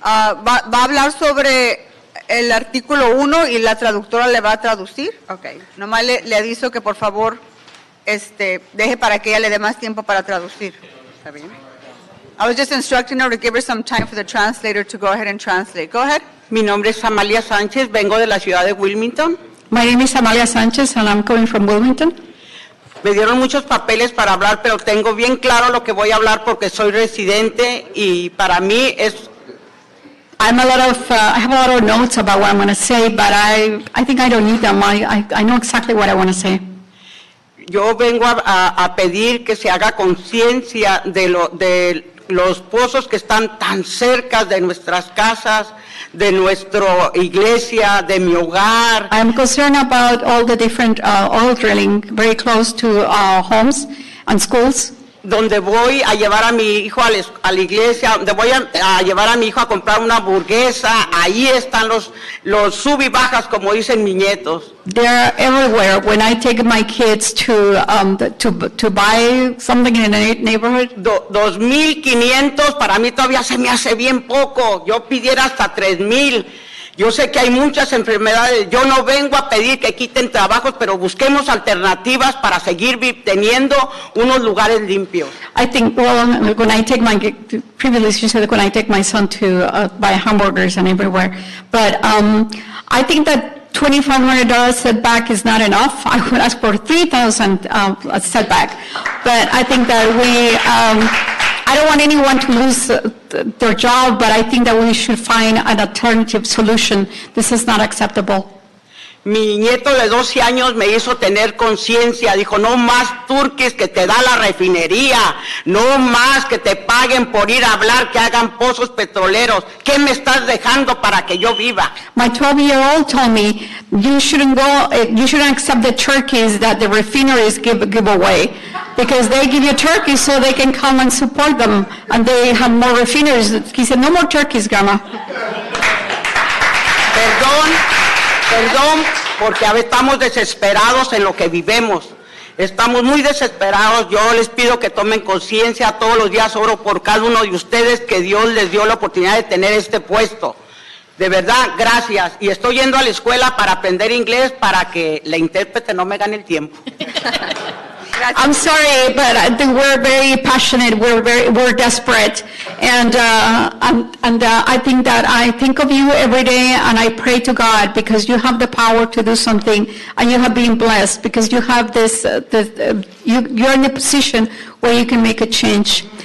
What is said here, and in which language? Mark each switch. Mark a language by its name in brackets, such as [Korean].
[Spanish] Va a hablar sobre el artículo 1 y la traductora le va a traducir. Okay. Nomás le aviso que, por favor, deje para que ella le dé más tiempo para traducir. Está bien. [English] I was just instructing her to give her some time for the translator to go ahead and translate. Go ahead. [Spanish] Mi nombre es Amalia Sánchez. Vengo de la ciudad de Wilmington. [English] My name is Amalia Sánchez and I'm coming from Wilmington. [Spanish] Me dieron muchos papeles para hablar, pero tengo bien claro lo que voy a hablar porque soy residente y para mí es... [English] I have a lot of notes about what I'm going to say, but I think I don't need them. I know exactly what I want to say. [Spanish] Yo vengo a pedir que se haga conciencia de los pozos que están tan cerca de nuestras casas, de nuestra iglesia, de mi hogar. [English] I'm concerned about all the different oil drilling very close to homes and schools. [Spanish] Donde voy a llevar a mi hijo a la iglesia, donde voy a llevar a mi hijo a comprar una hamburguesa, ahí están los sub y bajas, como dicen mis nietos. [English] They're everywhere. When I take my kids to buy something in a neighborhood. [Spanish] 2,500, para mí todavía se me hace bien poco. Yo pidiera hasta 3,000. Yo sé que hay muchas enfermedades. Yo no vengo a pedir que quiten trabajos, pero busquemos alternativas para seguir teniendo unos lugares limpios. [English] I think, when I take my, previously you said when I take my son to buy hamburgers and everywhere, but I think that $2,500 setback is not enough. I would ask for $3,000 setback. But I think that I don't want anyone to lose their job, but I think that we should find an alternative solution. This is not acceptable. [Spanish] Mi nieto de 12 años me hizo tener conciencia. Dijo, no más turques que te da la refinería. No más que te paguen por ir a hablar, que hagan pozos petroleros. ¿Qué me estás dejando para que yo viva? [English] My 12-year-old told me, you shouldn't accept the turkeys that the refineries give away. because they give you turkeys so they can come and support them, and they have more refineries. He said, no more turkeys, Grandma. [Spanish] Perdón, perdón, porque a veces estamos desesperados en lo que vivemos. Estamos muy desesperados. Yo les pido que tomen conciencia. Todos los días oro por cada uno de ustedes que Dios les dio la oportunidad de tener este puesto. De verdad, gracias. Y estoy yendo a la escuela para aprender inglés para que la intérprete no me gane el tiempo. [English] I'm sorry, but I think we're very passionate. We're desperate. And I think of you every day, and I pray to God because you have the power to do something, and you have been blessed because you have this, you're in a position where you can make a change.